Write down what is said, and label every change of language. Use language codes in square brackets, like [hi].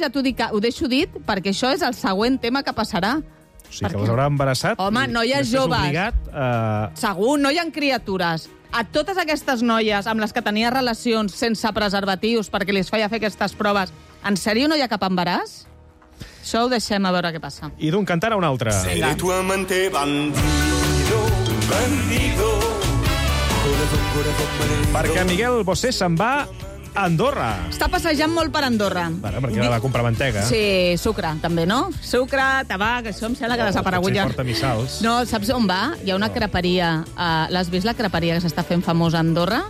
[ca] Ja t'ho dic, ho deixo dit, perquè això és el següent tema que passarà. O sigui, que les haurà embarassat... Home, noies joves. Obligat, segur, no hi ha criatures. A totes aquestes noies amb les que tenia relacions sense preservatius perquè les feia fer aquestes proves, en sèrio no hi ha cap embaràs? Això ho deixem a veure què passa. I d'un cantar a un altre. [es] Seré tu amante bandido, bandido. [ca] Perquè Miguel Bosé se'n va... Andorra. Està passejant molt per Andorra. Bara, perquè ara va comprar mantega. Sí, sucre, també, no? Sucre, tabac, això em sembla que ha desaparegut. Potser porta missals. No, saps on va? Hi ha una creperia. L'has vist, la creperia que s'està fent famosa a Andorra?